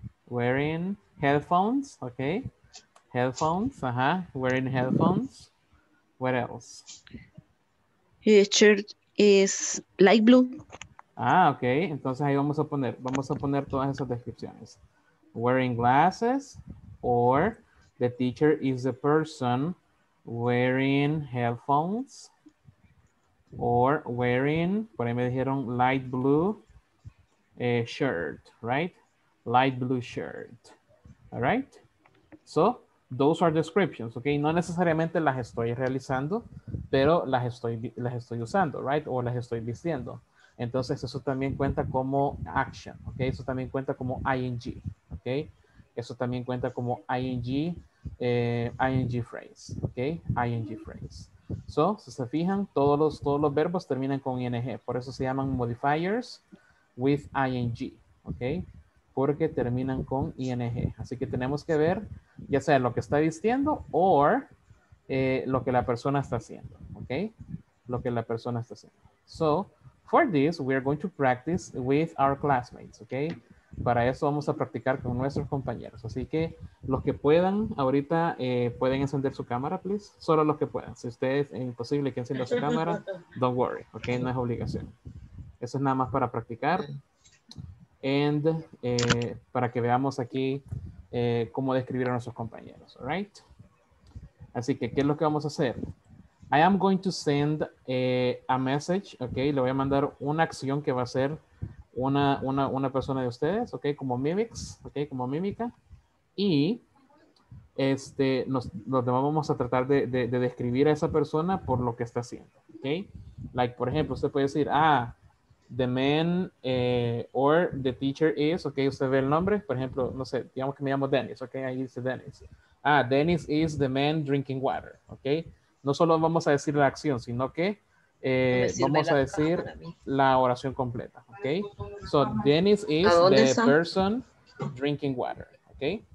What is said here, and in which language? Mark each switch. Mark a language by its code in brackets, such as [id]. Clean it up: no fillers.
[en] Wearing headphones, okay. Headphones, uh-huh. Wearing headphones. What else? His shirt is light blue. Ah, okay. [es] Entonces ahí vamos a poner todas esas descripciones. [en] Wearing glasses, or the teacher is the person wearing headphones, or wearing, [es] por ahí me dijeron, [en] light blue shirt, right? Light blue shirt, all right? So, those are descriptions, okay? [es] No necesariamente las estoy realizando, pero las estoy usando, right? O las estoy vistiendo. Entonces, eso también cuenta como action, okay? Eso también cuenta como ing, okay? Eso también cuenta como ing, ing phrase, okay? Ing phrase. So, si se fijan, todos los verbos terminan con ing. Por eso se llaman modifiers with ing, okay? Porque terminan con ing. Así que tenemos que ver ya sea lo que está vistiendo o lo que la persona está haciendo. ¿Ok? Lo que la persona está haciendo. [en] So, for this, we are going to practice with our classmates. ¿Ok? [es] Para eso vamos a practicar con nuestros compañeros. Así que los que puedan, ahorita pueden encender su cámara, [en] please. [es] Solo los que puedan. Si ustedes es imposible que encienda su cámara, [en] don't worry. [es] ¿Ok? No es obligación. Eso es nada más para practicar. And para que veamos aquí cómo describir a nuestros compañeros, all right? Así que, ¿qué es lo que vamos a hacer? [en] I am going to send a message, okay? [es] Le voy a mandar una acción que va a hacer una persona de ustedes, okay? Como mimics, okay? Como mímica. Y este, nos vamos a tratar de describir a esa persona por lo que está haciendo, okay? Like, por ejemplo, usted puede decir, ah, [en] the man or the teacher is, [es] okay? Usted ve el nombre, por ejemplo, no sé, digamos que me llamo Dennis, okay? Ahí dice Dennis. [en] Ah, Dennis is the man drinking water, okay? [es] No solo vamos a decir la acción, sino que vamos a decir la oración completa, okay? [en] So, Dennis is the person drinking water, okay?